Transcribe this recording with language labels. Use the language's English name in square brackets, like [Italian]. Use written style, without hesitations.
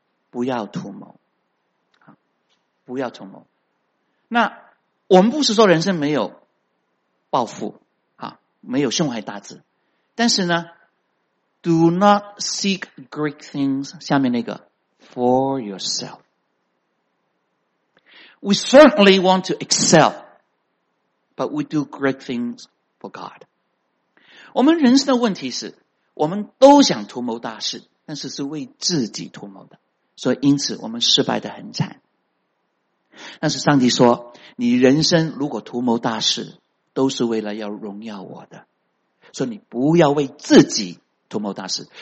[Chinese] 不要图谋，不要图谋。那我们不是说人生没有抱负，没有胸怀大志，但是呢 [English] Do not seek great things， [Chinese] 下面那个 [English] for yourself。 We certainly want to excel, but we do great things for God. [Chinese] 我们人生的问题是，我们都想图谋大事，但是是为自己图谋的，所以因此我们失败得很惨。但是上帝说，你人生如果图谋大事，都是为了要荣耀我的，所以你不要为自己图谋大事。